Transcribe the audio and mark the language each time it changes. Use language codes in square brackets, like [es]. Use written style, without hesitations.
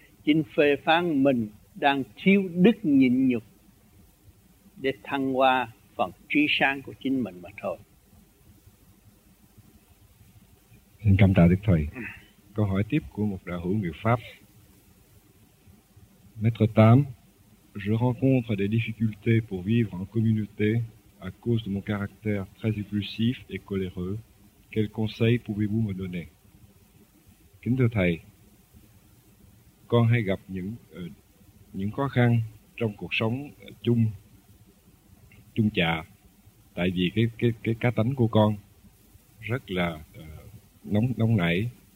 [vi] Chính phê phán mình đang thiếu đức nhịn nhục để thăng hoa phần trí sáng của chính mình mà thôi. Xin cảm tạ Đức Thầy. Câu hỏi tiếp của một đạo hữu người Pháp. [fr] Maître Tam, je rencontre des difficultés pour vivre en communauté à cause de mon caractère très impulsif et coléreux. Quel conseil pouvez-vous me donner? [vi] Kính thưa Thầy, con hay gặp những khó khăn trong cuộc sống chung chạ, tại vì cái cá tánh của con rất là nóng nảy.